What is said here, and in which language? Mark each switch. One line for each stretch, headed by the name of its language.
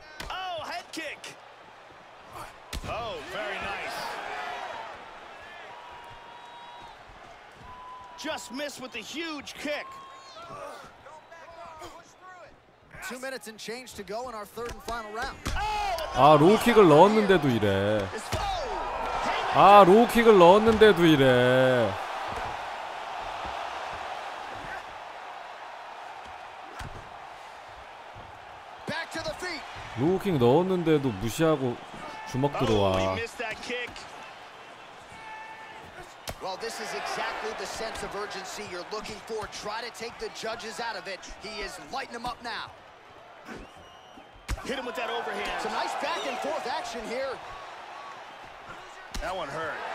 English: Oh, head kick. Oh, very nice. Just missed with a huge kick. Yes. 2 minutes and change to go in our third and final round.
Korean: 아, 로우킥을 넣었는데도 이래. 아, 로우킥을 넣었는데도 이래. 로우킥 넣었는데도 무시하고 주먹 들어와.
English: Well, this is exactly the sense of urgency you're looking for. Try to take the judges out of it. He is lighting them up now. Hit him with that overhand. It's a nice back and forth action here. That one hurt.